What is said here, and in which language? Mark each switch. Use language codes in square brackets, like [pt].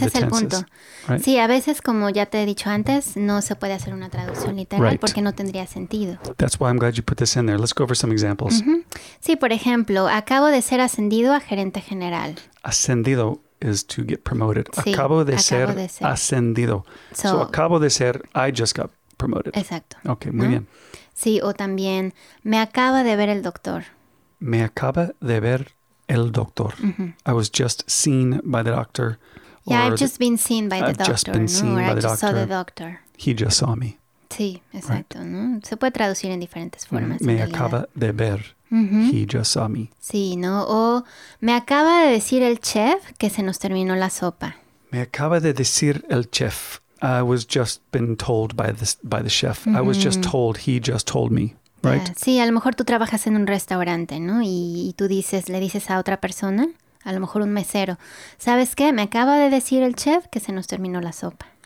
[es] ese [en] of the tenses. [es] Ese es el punto. Right? Sí, a veces, como ya te he dicho antes, no se puede hacer una traducción literal [en] right. [es] porque no tendría sentido. [en] That's why I'm glad you put this in there. Let's go over some examples. Mm-hmm. [es] Sí, por ejemplo, acabo de ser ascendido a gerente general. [en] Ascendido is to get promoted. [es] Sí, acabo de ser ascendido. So acabo de ser, [en] I just got promoted. [es] Exacto. Okay, muy bien. Sí, o también, me acaba de ver el doctor. Me acaba de ver el doctor. Mm-hmm. [en] I was just seen by the doctor. Yeah, I've just been seen by the doctor. I just saw the doctor. He just saw me. [es] Sí, exacto. Right. ¿No? Se puede traducir en diferentes formas. Me acaba de ver. Mm-hmm. [en] He just saw me. [es] Sí, ¿no? O me acaba de decir el chef que se nos terminó la sopa. Me acaba de decir el chef. [en] I was just been told by the chef. Mm-hmm. I was just told. He just told me. Right? [es] Sí, a lo mejor tú trabajas en un restaurante, ¿no? Y tú dices, le dices a otra persona, a lo mejor un mesero. ¿Sabes qué? Me acaba de decir el chef que se nos terminó la sopa.